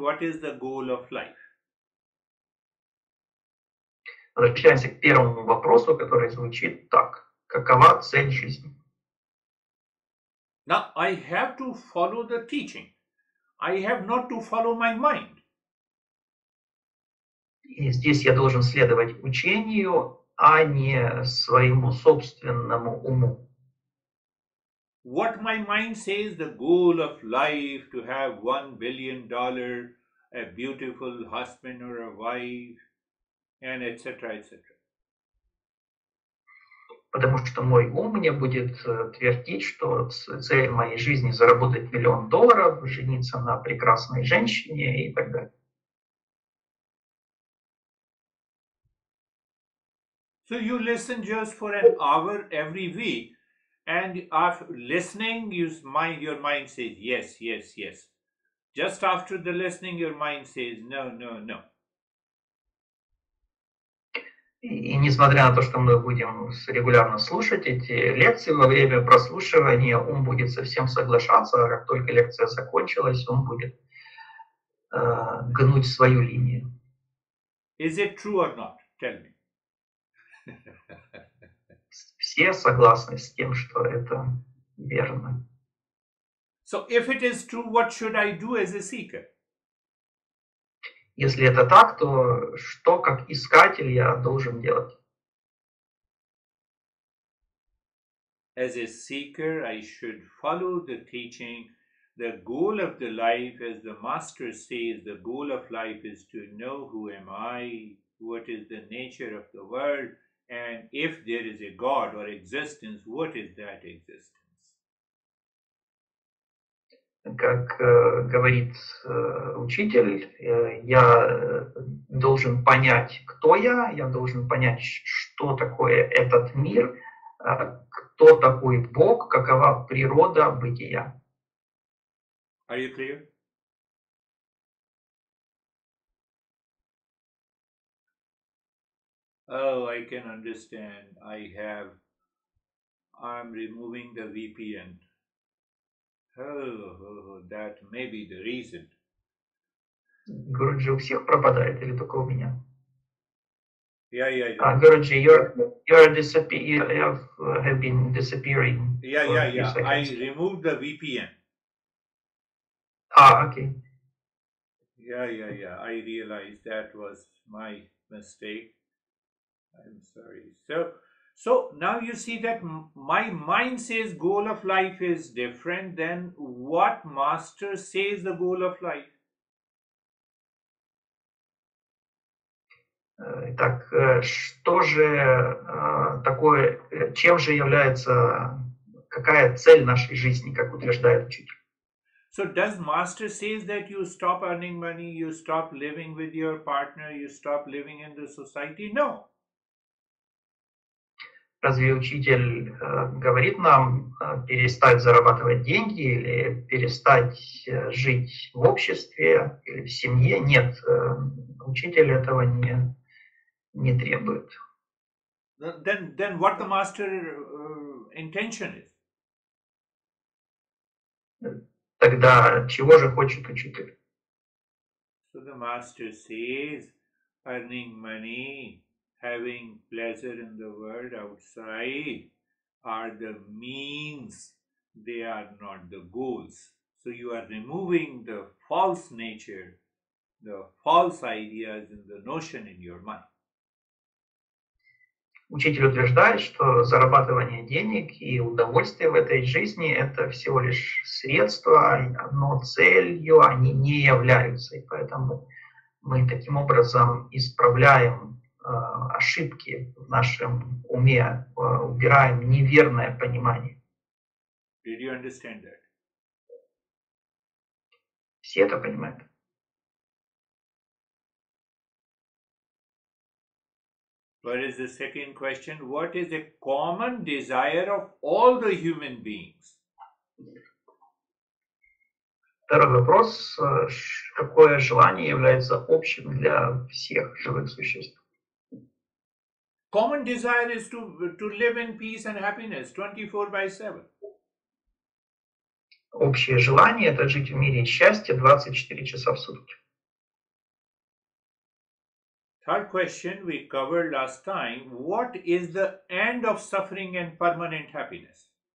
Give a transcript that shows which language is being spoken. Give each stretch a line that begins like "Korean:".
English: What is the goal of life?
Russian: Возвращаемся к первому вопросу, который звучит так. Какова цель жизни?
English: Now, I have to follow the teaching. I have not to follow my mind.
Russian: И здесь я должен следовать учению, а не своему собственному уму.
English: What my mind says, the goal of life, to have $1 billion, a beautiful husband or a wife, and et cetera, et cetera.
Russian: Потому что мой ум мне будет твердить, что цель моей жизни заработать $1 million, жениться на прекрасной женщине и так далее.
English: So you listen just for an hour every week, and after listening, your mind says yes, yes, yes. Just after the listening, your mind says no, no, no.
Russian: И несмотря на то, что мы будем регулярно слушать эти лекции, во время прослушивания ум будет со всем соглашаться, а как только лекция закончилась, ум будет гнуть свою линию.
English: Is it true or not? Tell me.
Russian: Все согласны с тем, что это верно.
English: So if it is true, what should I do as a seeker?
Russian: Если это так, то что, как искатель, я должен делать?
English: As a seeker, I should follow the teaching. The goal of the life, as the master says, the goal of life is to know who am I, what is the nature of the world, and if there is a God or existence, what is that existence?
Russian: Как говорит учитель, я должен понять, кто я должен понять, что такое этот мир, кто такой Бог, какова природа бытия.
English: Are you clear? Oh, I can understand. I have I'm removing the VPN. Oh, that may be the reason.
Russian: Guruji, у всех пропадает или только у меня?
English: Yeah. Guruji, you're disappear. You have been disappearing. Yeah. I removed the VPN. Ah, okay. Yeah. I realized that was my mistake. I'm sorry. So now you see that my mind says goal of life is different than what master says the goal of life.
Russian: Так что же такое, чем же является, какая цель нашей жизни, как утверждает учитель?
English: So does master says that you stop earning money, you stop living with your partner, you stop living in the society? No.
Russian: Разве учитель говорит нам перестать зарабатывать деньги или перестать жить в обществе или в семье? Нет, учитель этого не требует.
English: Then what the master intention is?
Russian: Тогда чего же хочет учитель?
English: So the master says earning money, having pleasure in the world outside are the means, they are not the goals. So you are removing the false nature, the false ideas and the notion in your mind.
Russian: Учитель утверждает, что зарабатывание денег и удовольствие в этой жизни – это всего лишь средство, но целью они не являются. И поэтому мы таким образом исправляем ошибки в нашем уме, убираем неверное понимание.
English: Did you understand that?
Russian: Все это понимают.
English: What is the second question? What is a common desire of all the human beings?
Russian: Второй вопрос. Какое желание является общим для всех живых существ?
English: Common desire is to live in peace and happiness 24/7.
Russian: Общее желание – это жить в мире счастья 24 часа в сутки.
English: Third question we covered last time. What is the end of suffering and permanent happiness?